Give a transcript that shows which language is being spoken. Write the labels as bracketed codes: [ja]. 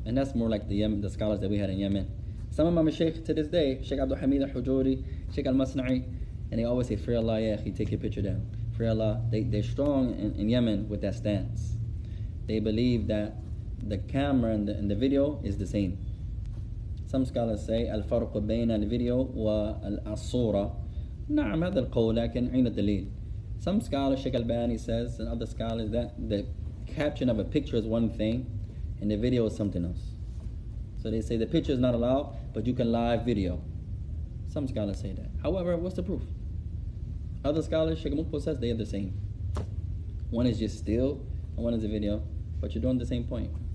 [en] And that's more like the scholars that we had in Yemen. Some of my mashaykh to this day, Sheikh Abdul Hamid al-Hujuri, Sheikh al-Masna'i, and they always say, free Allah, ya akhi, take your picture down. Free Allah. They're strong in Yemen with that stance. They believe that the camera and the video is the same. [ar] Some scholars say الفرق بين الفيديو والصورة. نعم هذا القول لكن عين الدليل. [en] Some scholars, Sheikh Albani says, and other scholars, that the caption of a picture is one thing and the video is something else. So they say the picture is not allowed, but you can live video. Some scholars say that. However, what's the proof? Other scholars, Sheikh Mukbo says, they are the same. One is just still and one is a video, but you're doing the same point.